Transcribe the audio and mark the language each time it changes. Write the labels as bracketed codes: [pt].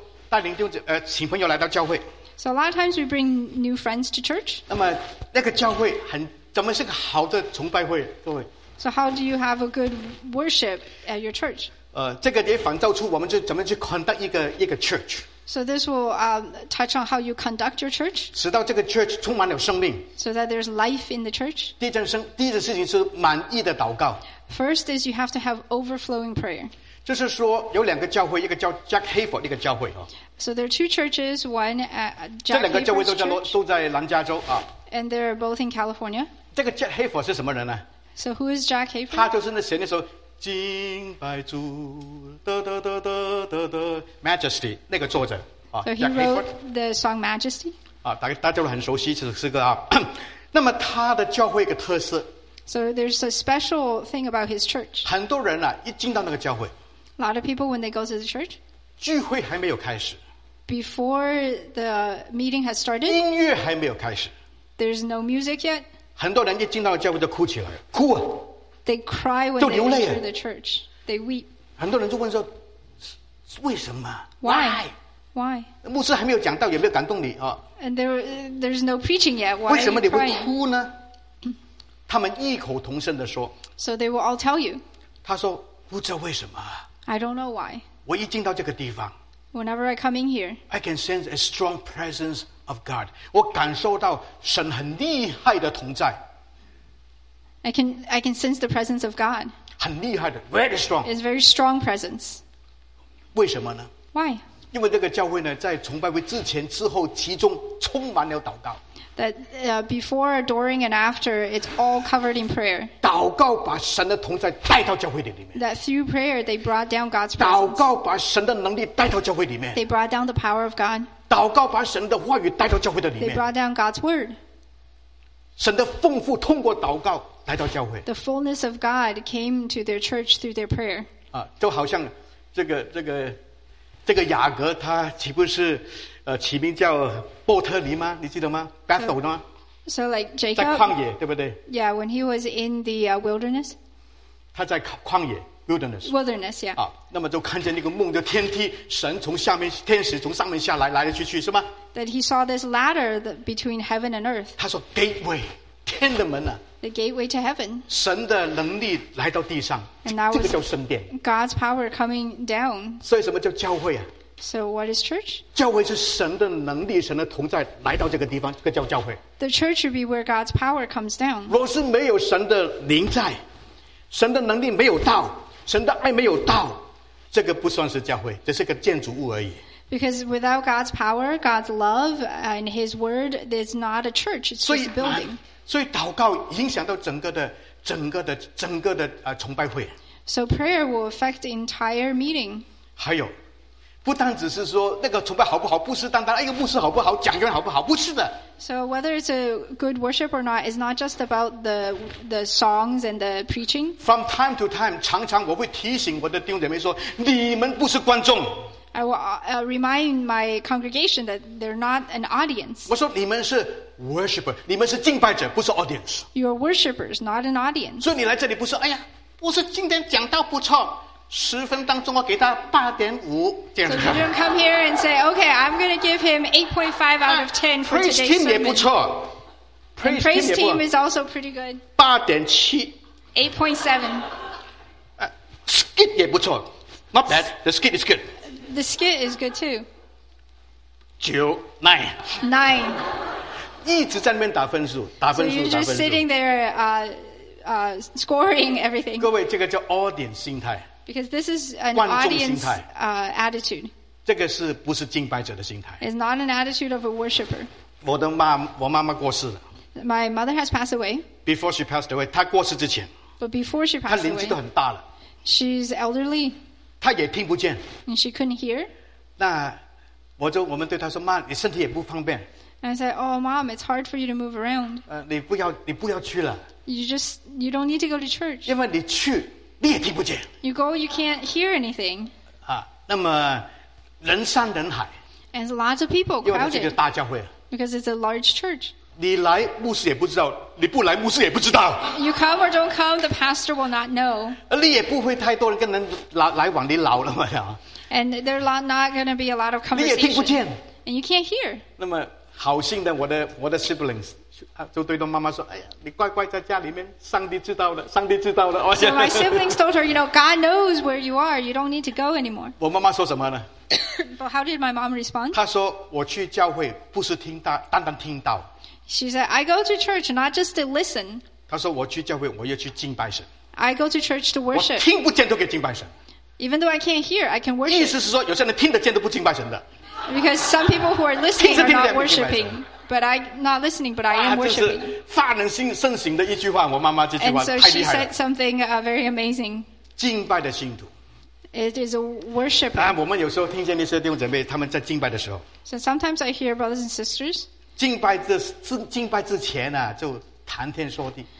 [zh] 带领弟兄姊妹，请朋友来到教会。 [en] So a lot of times we bring new friends to church. [zh] 那么那个教会很，怎么是个好的崇拜会？各位。 [en] So how do you have a good worship at your church? [zh] 这个也反照出我们就怎么去conduct一个 church. [en] So this will touch on how you conduct your church. [zh] 使到这个 church 充满了生命。 [en] So that there's life in the church. [zh] 第一件事情是满意的祷告。 [en] First is you have to have overflowing prayer. [zh] 就是说有两个教会, 一个叫 Jack Hayford, 一个教会, [en] so there are two churches, one at Jack Hayford's church, [zh] 都在南加州, [en] and they're both in California. [zh] 这个 Jack Hayford是什么人呢? [en] So who is Jack Hayford? [zh] 他就是那写那首 敬拜主, 得得得得得得, Majesty, 那个作者, [en] so he wrote the song Majesty. [zh] 大家都很熟悉这首诗歌, 那么他的教会一个特色, [en] so there's a special thing about his church. [zh] 很多人啊, 一进到那个教会, [en] a lot of people, when they go to the church, [zh] 聚会还没有开始, [en] before the meeting has started, [zh] 音乐还没有开始, [en] there's no music yet, [zh] 很多人一进到教会就哭起来, 哭, [en] they cry when [zh] 就流泪, [en] they enter the church. They weep. [zh] 很多人就问说, 为什么? [en] Why? Why? [zh] 牧师还没有讲到，也没有感动你啊。 [en] And there's no preaching yet. Why? [zh] 为什么你会哭呢？他们异口同声地说。 [en] So they will all tell you. [zh] 他说不知道为什么。 [en] I don't know why. [zh] 我一进到这个地方。 [en] Whenever I come in here, I can sense a strong presence of God. [zh] 我感受到神很厉害的同在。 [en] I can sense the presence of God. [zh] 很厉害的 ， [en] very strong. It's a very strong presence. [zh] 为什么呢 [en] ？Why? [zh] 因为这个教会呢，在崇拜会之前、之后，其中充满了祷告。 [en] That before, during, and after, it's all covered in prayer. [zh] 祷告把神的同在带到教会里面。 [en] That through prayer, they brought down God's presence. [zh] 祷告把神的能力带到教会里面。 [en] They brought down the power of God. [zh] 祷告把神的话语带到教会的里面。 [en] They brought down God's word. [zh] 神的丰富通过祷告来到教会。 [en] The fullness of God came to their church through their prayer. [zh] 啊，就好像这个雅各他岂不是起名叫伯特利吗？你记得吗 ？Bethel 吗 [en] ？So like Jacob [zh] 在旷野，对不对 [en] ？Yeah, when he was in the wilderness. [zh] 他在旷野 ，wilderness. [en] Wilderness, yeah. [zh] 啊，那么就看见那个梦的天梯，神从下面天使从上面下来，来来去去，是吗 [en] ？That he saw this ladder between heaven and earth. [zh] 他说 ，Gateway 天的门啊。 [en] The gateway to heaven. [zh] 神的能力来到地上，这个叫圣殿。 [en] God's power coming down. [zh] 所以什么叫教会啊？ [en] So what is church? [zh] 教会是神的能力，神的同在来到这个地方，这个叫教会。 [en] The church should be where God's power comes down. [zh] 若是没有神的灵在，神的能力没有到，神的爱没有到，这个不算是教会，这是个建筑物而已。 [en] Because without God's power, God's love, and His word, it's not a church. It's just a building. [zh] 所以祷告影响到整个的崇拜会。 [en] So prayer will affect the entire meeting. [zh] 还有。不单只是说那个崇拜好不好，不是单单哎，牧师好不好，讲员好不好，不是的。 [en] So whether it's a good worship or not, it's not just about the songs and the preaching. From time to time, [zh] 常常我会提醒我的弟兄姐妹说，你们不是观众。 [en] I will remind my congregation that they're not an audience. [zh] 我说你们是 worshipper， 你们是敬拜者，不是 audience. [en] You're worshippers, not an audience. [zh] 所以你来这里不是哎呀，我是今天讲到不错。十分当中我给他八点五。 [en] So you don't come here and say, okay, I'm going to give him 8.5 out of 10 for today's sermon. [zh] Praise team 也不错。 [en] Praise team is also pretty good. [zh] 八点七。 [en] 8.7. [zh] Skit 也不错。 [en] Not bad. The skit is good. The skit is good too. [zh] 九。 [en] Nine. Nine. [zh] 一直在那边打分数，打分数，打分数。 [en] So you're just sitting there, scoring everything. [zh] 各位，这个叫 audience 心态。 [en] Because this is an audience attitude. [zh] 这个是不是敬拜者的心态 [en] ？It's not an attitude of a worshipper. [zh] 我妈妈过世了。 [en] My mother has passed away. Before she passed away, [zh] 她过世之前。 [en] But before she passed away, [zh] 她年纪都很大了。 [en] She's elderly. [zh] 她也听不见。 [en] And she couldn't hear. [zh] 那我们对她说：“妈，你身体也不方便。 [en] ”And I said, "Oh, mom, it's hard for you to move around." [zh] 你不要去了。 [en] You don't need to go to church. [zh] 因为你去。你也听不见。 [en] You go, you can't hear anything. [zh] 啊，那么人山人海。 [en] And lots of people crowded. [zh] 因为这是一个大教会。 [en] Because it's a large church. [zh] 你来，牧师也不知道；你不来，牧师也不知道。 [en] You come or don't come, the pastor will not know. [zh] 你也不会太多人跟人来往，你老了嘛呀。 [en] And there are not going to be a lot of conversation. [zh] 你也听不见。 [en] And you can't hear. [zh] 那么好心的我的 siblings。就对着妈妈说：“哎呀，你乖乖在家里面，上帝知道了，上帝知道了。 [en] ”So my siblings told her, "You know, God knows where you are. You don't need to go anymore." [zh] 我妈妈说什么呢 [en] ？But how did my mom respond? [zh] 她说：“我去教会不是听到，单单听到。 [en] ”She said, "I go to church not just to listen." [zh] 她说：“我去教会，我要去敬拜神。 [en] ”I go to church to worship. [zh] 我听不见都可以敬拜神。 [en] Even though I can't hear, I can worship. [zh] 意思是说，有些人听得见都不敬拜神的。 [en] Because some people who are listening [zh] 听着听着 [en] are not worshiping. But I'm not listening, but I am worshiping. [zh] 啊就是、的一句话我妈妈这句话 [en] And so she said something very amazing. [zh] 敬拜的信徒 [en] It is a worshiper.、 [zh] 啊、我们有时候听见那些弟兄姐妹他们在敬拜的时候 [en] So sometimes I hear brothers and sisters. [zh] 敬拜之前、啊、就谈天说地